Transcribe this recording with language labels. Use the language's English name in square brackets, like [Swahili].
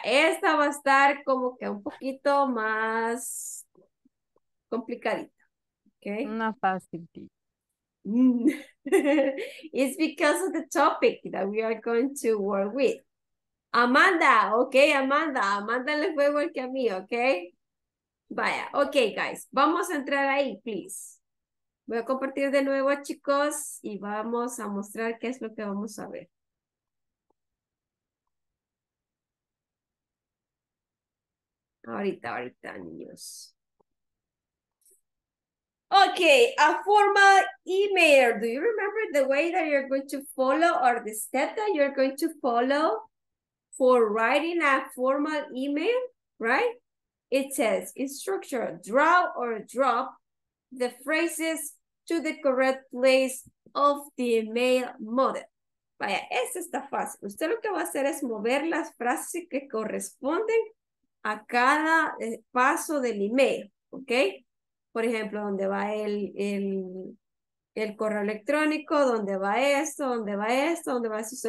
[Spanish] Esta va a estar como que un poquito más complicadita. Ok. No fácil. [English] It's because of the topic that we are going to work with. Amanda, ok, Amanda. [Spanish] Amanda le fue igual que a mí, ok. Vaya, ok, guys. Vamos a entrar ahí, please. Voy a compartir de nuevo, chicos, y vamos a mostrar qué es lo que vamos a ver. Ahorita, niños. [English] Ok, a formal email. Do you remember the way that you're going to follow or the step that you're going to follow for writing a formal email, right? It says, instructor, draw or drop the phrases to the correct place of the email model. [Spanish] Vaya, esta está fácil. Usted lo que va a hacer es mover las frases que corresponden a cada paso del email, ¿ok? Por ejemplo, ¿dónde va el correo electrónico? ¿Dónde va esto? ¿Dónde va esto? ¿Dónde va eso?